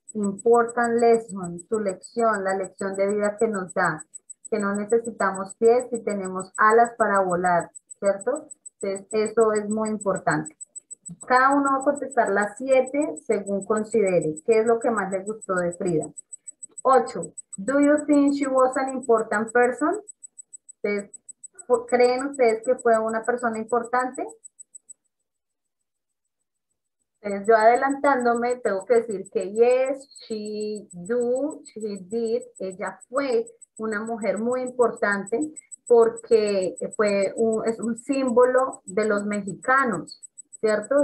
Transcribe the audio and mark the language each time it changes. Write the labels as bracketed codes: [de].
[en] Important lesson, [es] su lección, la lección de vida que nos da, que no necesitamos pies si tenemos alas para volar, ¿cierto? Entonces, eso es muy importante. Cada uno va a contestar las 7 según considere. ¿Qué es lo que más le gustó de Frida? 8. [en] ¿Do you think she was an important person? [es] Entonces, ¿creen ustedes que fue una persona importante? Entonces, yo adelantándome, tengo que decir que [en] yes, she did. [es] Ella fue una mujer muy importante, porque es un símbolo de los mexicanos, ¿cierto?